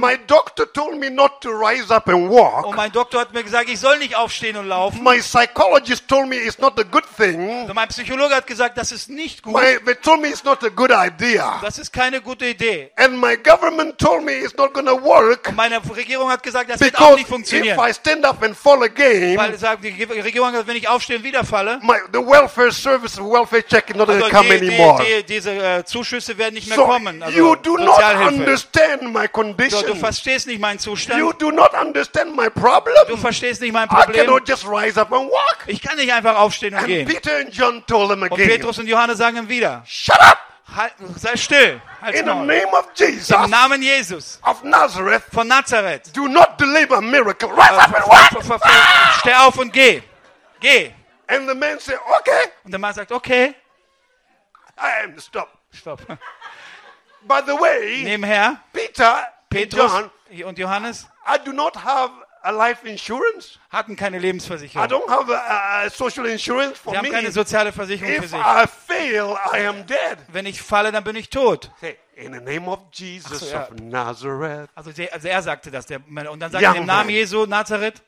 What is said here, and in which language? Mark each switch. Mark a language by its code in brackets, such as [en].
[en] My doctor told me not to rise up and walk. [de] Und mein Doktor hat mir gesagt, ich soll nicht aufstehen und laufen. [en] My psychologist told me it's not a good thing. [de] Und mein Psychologe hat gesagt, das ist nicht gut. [en] They told me it's not a good idea. [de] Das ist keine gute Idee. [en] And my government told me it's not gonna work. [de] Und meine Regierung hat gesagt, das wird auch nicht funktionieren. [en] Because if I stand up and fall again, [de] weil sagt die Regierung, wenn ich aufstehe und wieder falle, [en] the welfare service welfare check is not gonna come anymore. [de] Zuschüsse werden nicht mehr kommen. Also [en] you do not understand my condition. [de] Du verstehst nicht meinen Zustand. [en] You do not understand my problem. [de] Du verstehst nicht mein Problem. [en] I cannot just rise up and walk. [de] Ich kann nicht einfach aufstehen und gehen. [en] Peter and John told them again. [de] Und Petrus und Johannes sagen ihm wieder: [en] Shut up! [de] Sei still! [en] In the name of Jesus, [de] im Namen Jesus [en] of Nazareth, [de] von Nazareth, [en] do not deliver a miracle. Rise up and walk! [de] Steh auf und geh! Geh! [en] And the man said, okay. [de] Und der Mann sagt: Okay. [en] Stop. [de] Stop. [en] By the way, [de] nebenher, Petrus und Johannes, [en] I do not have a life insurance. [de] Hatten keine Lebensversicherung. [en] I don't have a social insurance for [de] sie haben keine soziale Versicherung [en] if [de] für sich. [en] I fail, I am dead. [de] Wenn ich falle, dann bin ich tot. [en] Hey, in the name of Jesus of Nazareth. [de] Also er sagte das. Und dann sagte er im Namen Jesu Nazareth.